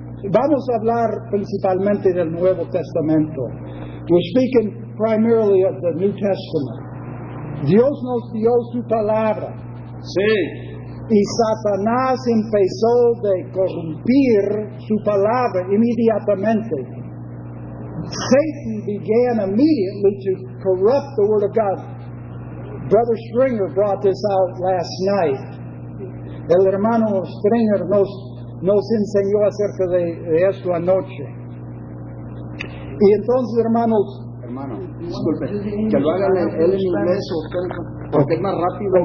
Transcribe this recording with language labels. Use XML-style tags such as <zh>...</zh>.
<es>Vamos a hablar principalmente del Nuevo Testamento.</es> <en>We're speaking primarily of the New Testament.</en> <es>Dios nos dio su palabra. Sí. Y Satanás empezó de corrompir su palabra inmediatamente.</es> <en>Satan began immediately to corrupt the Word of God. Brother Stringer brought this out last night.</en> <es>El hermano Stringer nos enseñó acerca de esto anoche. Y entonces, hermanos... Hermano, disculpe, que lo hagan él en inglés o porque es más rápido.</es>